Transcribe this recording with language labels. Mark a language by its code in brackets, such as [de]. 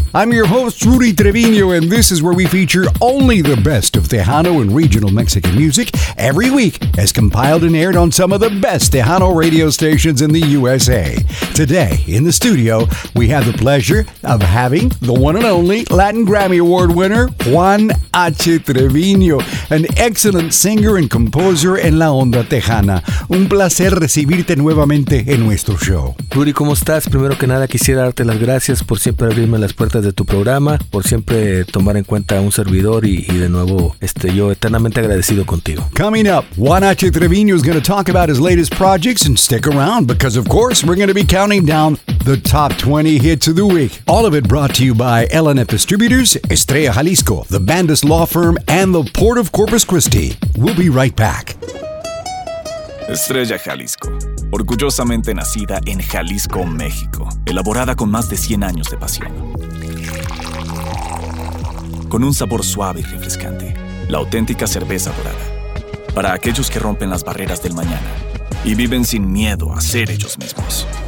[en] I'm your host, Rudy Treviño, and this is where we feature only the best of Tejano and regional Mexican music every week as compiled and aired on some of the best Tejano radio stations in the USA. Today, in the studio, we have the pleasure of having the one and only Latin Grammy Award winner, Juan H. Treviño, an excellent singer and composer [es] en la onda tejana. Un placer recibirte nuevamente en nuestro show. Rudy, ¿cómo estás? Primero que nada, quisiera darte las gracias por siempre abrirme las puertas de tu programa, por siempre tomar en cuenta un servidor y de nuevo yo eternamente agradecido contigo. [en] Coming up, Juan H. Treviño is going to talk about his latest projects and stick around because of course we're going to be counting down the top 20 hits of the week. All of it brought to you by LNF Distributors, Estrella Jalisco, the Bandus Law Firm and the Port of Corpus Christi. We'll be right back. [es] Estrella Jalisco, orgullosamente nacida en Jalisco, México, elaborada con más de 100 años de pasión. Con un sabor suave y refrescante, la auténtica cerveza dorada. Para aquellos que rompen las barreras del mañana y viven sin miedo a ser ellos mismos.